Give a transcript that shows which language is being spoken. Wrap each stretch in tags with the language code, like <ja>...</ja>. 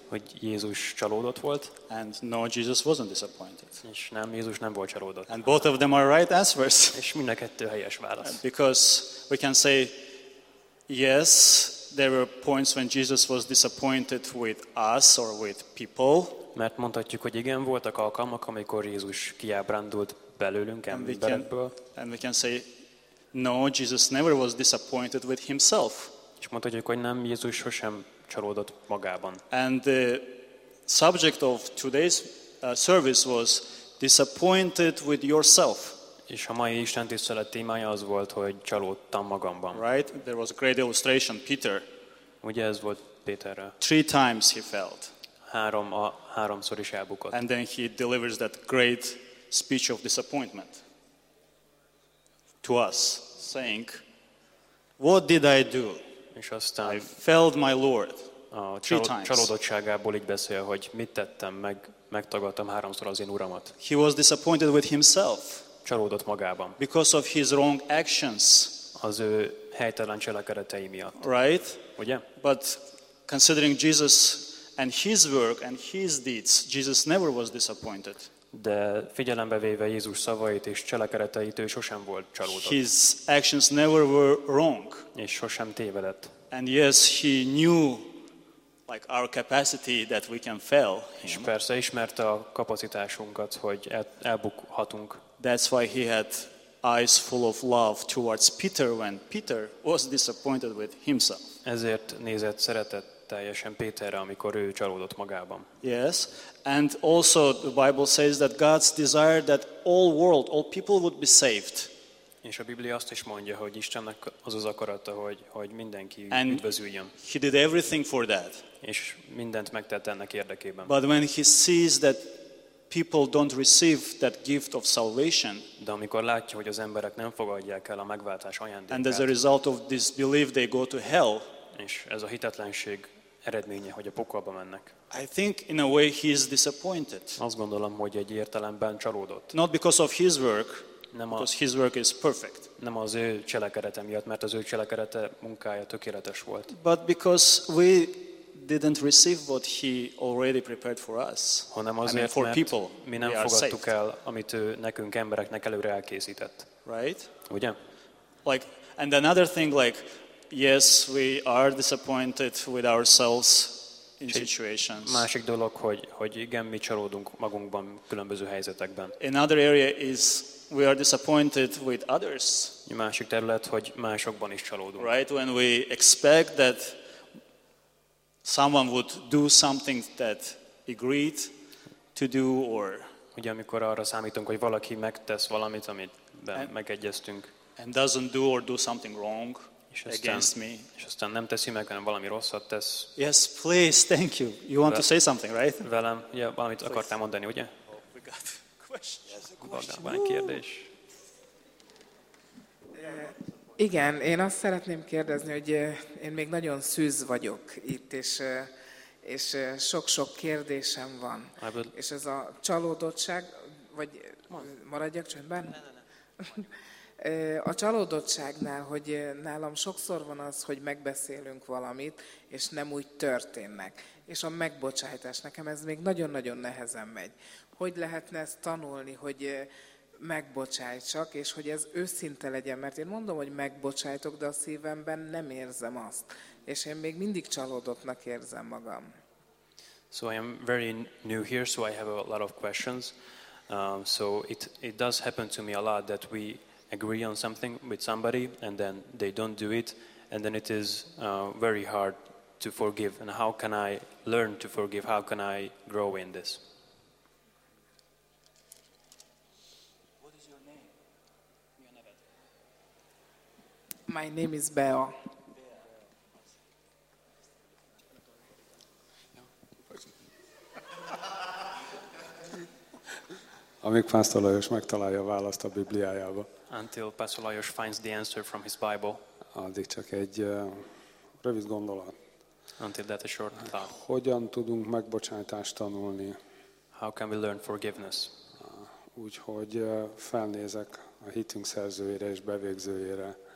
<hu>Hogy Jézus csalódott volt.</hu> <en>And no, Jesus wasn't disappointed.</en> <hu>És nem, Jézus nem volt csalódott.</hu> <en>And both of them are right answers.</en> <hu>És mind a kettő helyes válasz.</hu> <en>Because we can say yes, there were points when Jesus was disappointed with us or with people.</en> <hu>Mert mondhatjuk, hogy igen, voltak alkalmak, amikor Jézus kiábrándult belőlünk, emberekből.</hu> <en>And we can say, no, Jesus never was disappointed with himself.</en> <hu>És mondhatjuk, hogy nem, Jézus sosem csalódott magában.</hu> <en>And the subject of today's service was disappointed with yourself.</en> <hu>És a mai istentisztelet témája az volt, hogy csalódtam magamban.</hu> <en>Right? There was a great illustration, Peter.</en> <hu>Ugye ez volt Péterre.</hu> <en>Three times he failed.</en> <hu>Háromszor is elbukott.</hu> <en>And then he delivers that great speech of disappointment to us, saying, what did I do?</en> <hu>És aztán</hu> <en>I failed my Lord. Three times.</en> <hu>Csalódottságából így beszél, hogy mit tettem, megtagadtam háromszor az én Uramat.</hu> <en>He was disappointed with himself.</en> <hu>Csalódott magában.</hu> <en>Because of his wrong actions.</en> <hu>Az ő helytelen cselekedetei miatt.</hu> <en>Right?</en> <hu>Ugye?</hu> <en>But considering Jesus and his work and his deeds, Jesus never was disappointed.</en> <hu>De figyelembe véve Jézus szavait és cselekedeteit, ő sosem volt csalódott.</hu> <en>His actions never were wrong.</en> <hu>És sosem tévedett.</hu> <en>And yes, he knew like our capacity that we can fail.</en> <hu>És persze ismerte a kapacitásunkat, hogy elbukhatunk.</hu> <en>That's why he had eyes full of love towards Peter when Peter was disappointed with himself.</en> <hu>Ezért nézett szeretett teljesen Péterre, amikor ő csalódott magában.</hu> <en>Yes, and also the Bible says that God's desire that all world, all people would be saved.</en> <hu>És a Biblia azt is mondja, hogy Istennek az az akarata, hogy mindenki üdvözüljön.</hu> <en>He did everything for that.</en> <hu>És mindent megtett ennek érdekében.</hu> <en>But when he sees that people don't receive that gift of salvation.</en> <hu>De amikor látja, hogy az emberek nem fogadják el a megváltás ajándékát.</hu> <en>And as a result of this belief, they go to hell.</en> <hu>És ez a hitetlenség eredménye, hogy a pokolba mennek.</hu> <en>I think in a way he is disappointed.</en> <hu>Azt gondolom, hogy egy értelemben csalódott.</hu> <en>Not because of his work, because his work is perfect.</en> <hu>Nem az ő cselekedete miatt, mert az ő cselekedete munkája tökéletes volt.</hu> <en>But because we didn't receive what he already prepared for us.</en> <hu>Hanem azért, mert</hu> <en>for people,</en> <hu>mi nem fogadtuk el, amit ő nekünk embereknek előre elkészített.</hu> <en>Right?</en> <hu>Ugye?</hu> <en>Like, and another thing, like, yes, we are disappointed with ourselves in situations.</en> <hu>Másik dolog, hogy igen, mi csalódunk magunkban különböző helyzetekben.</hu> <en>Another area is we are disappointed with others.</en> <hu>Másik terület, hogy másokban is csalódunk.</hu> <en>Right? When we expect that someone would do something that agreed to do or</en> <hu>ugye, amikor arra számítunk, hogy valaki megtesz valamit, amit megegyeztünk.</hu> <en>And doesn't do or do something wrong against me.</en> <hu>És aztán nem teszi meg, hanem valami rosszat tesz.</hu> <en>Yes, please, thank you. You want to say something, right?</en> <hu>Velem, ugye, valamit akartál mondani, ugye?</hu> <en>Oh, we got a question. Yes, a question.</en> <hu>Van kérdés. Igen, én azt szeretném kérdezni, hogy én még nagyon szűz vagyok itt, és sok-sok kérdésem van. És ez a csalódottság, vagy maradjak csöndben? Ne. A csalódottságnál, hogy nálam sokszor van az, hogy megbeszélünk valamit, és nem úgy történnek. És a megbocsájtás, nekem ez még nagyon-nagyon nehezen megy. Hogy lehetne ezt tanulni, hogy megbocsájtsak, és hogy ez őszinte legyen, mert én mondom, hogy megbocsájtok, de a szívemben nem érzem azt. És én még mindig csalódottnak érzem magam.</hu> <en>So I am very new here, so I have a lot of questions. So it does happen to me a lot that we agree on something with somebody and then they don't do it and then it is very hard to forgive. And how can I learn to forgive? How can I grow in this? My name is Bea.</en> <hu>Amíg Pásztor Lajos megtalálja a választ a Bibliájába.</hu> <en>Until Pastor Lajos finds the answer from his Bible.</en> <hu>Addig csak egy rövid gondolat.</hu> <en>Until that a short thought.</en> <hu>Hogyan tudunk megbocsátást tanulni?</hu> <en>How can we learn forgiveness?</en> <hu>Úgyhogy felnézek a hitünk szerzőjére és bevégzőjére.</hu>